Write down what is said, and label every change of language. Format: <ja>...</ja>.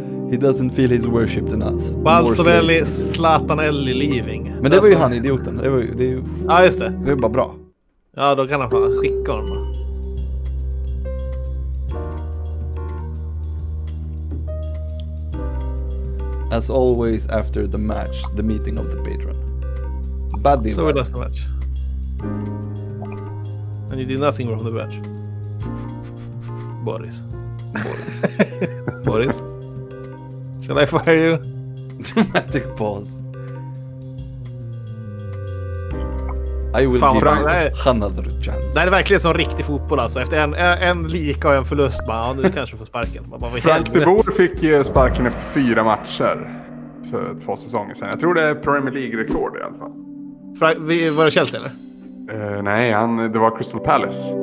<en>He doesn't feel he's worshipped enough. Balsovelli, Zlatanelli, leaving.</en> <sv>Men det var ju han idioten. Det var ju, det är ju, ja, just det. Det är bara bra. Ja, då kan han bara skicka honom.</sv> <en>As always after the match, the meeting of the patron. Bad so we lost the match. And you did nothing from the match. Boris. Boris. Boris. Shall I fire you? Dramatic pause. I will</en> <sv>fan,</sv> <en>give you another chance.</en> <sv>Det är verkligen som riktig fotboll alltså. Efter en lika och en förlust bara, ja, nu kanske du får sparken. Frank de Boer fick sparken efter 4 matcher för 2 säsonger sedan. Jag tror det är Premier League-rekord i alla fall. Var det Chelsea eller? Nej, det var Crystal Palace.</sv>